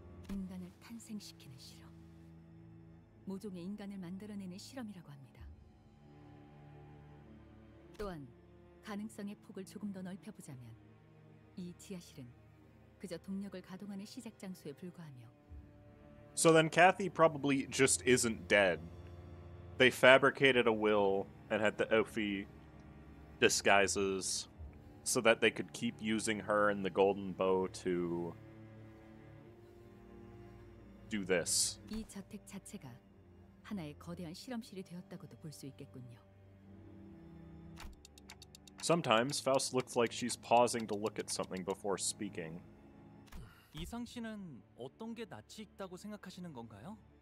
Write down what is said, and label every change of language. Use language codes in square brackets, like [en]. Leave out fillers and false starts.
[ko] 인간을 탄생시키는 실험. 모종의 인간을 만들어내는 실험이라고 합니다. 또한 가능성의 폭을 조금 더 넓혀보자면 이 지하실은 그저 동력을 가동하는 시작 장소에 불과하며. [en] So then Kathy probably just isn't dead. They fabricated a will and had the Ophi disguises so that they could keep using her and the golden bow to do this. [ko] 이 저택 자체가 하나의 거대한 실험실이 되었다고도 볼 수 있겠군요. [en] Sometimes Faust looks like she's pausing to look at something before speaking. [ko] 이상 씨는 어떤 게 낯이 익다고 생각하시는 건가요?